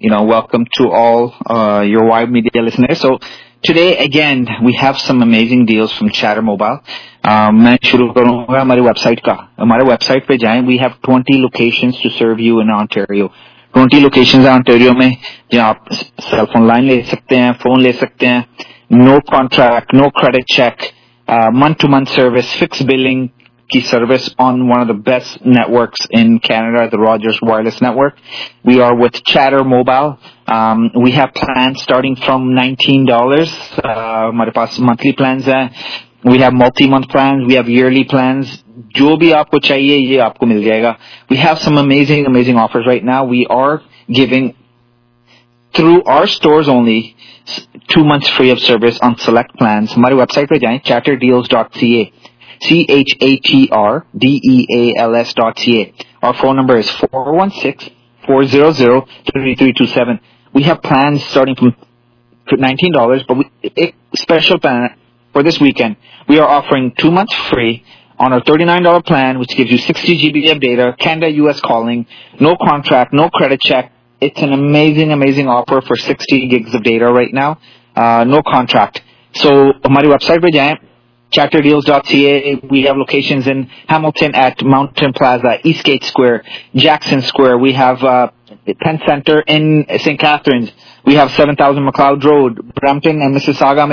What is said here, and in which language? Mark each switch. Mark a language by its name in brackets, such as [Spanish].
[English] Welcome to all your Wired Media listeners. So today, again, we have some amazing deals from Chatter Mobile. [Hindi] मैं शुरू करूँगा हमारी website का. Hamare website pe jaye, [English] we have 20 locations to serve you in Ontario. 20 locations in Ontario [Hindi] में, जहाँ आप cell phone line ले सकते हैं, phone ले सकते हैं. [English] No contract, no credit check. Month-to-month service, fixed billing, 5G service on one of the best networks in Canada, the Rogers Wireless Network. We are with Chatr Mobile. We have plans starting from $19. [Hindi] हमारे पास monthly plans हैं. [English] We have multi-month plans. We have yearly plans. [Hindi] जो भी आपको चाहिए, ये आपको मिल जाएगा. [English] We have some amazing, amazing offers right now. We are giving, through our stores only, 2 months free of service on select plans. [Hindi] हमारे website पे जाए, chatrdeals.ca. [English] chatrdeals.ca. Our phone number is 416-400-3327. We have plans starting from $19, but a special plan for this weekend. We are offering 2 months free on our $39 plan, which gives you 60 GB of data, Canada, US calling, no contract, no credit check. It's an amazing, amazing offer for 60 gigs of data right now. No contract. [Hindi] So, हमारी website पे जाए, chatrdeals.ca. [English] We have locations in Hamilton at Mountain Plaza, Eastgate Square, Jackson Square. We have Penn Center in St. Catharines. We have 7000 McLeod Road, Brampton and Mississauga.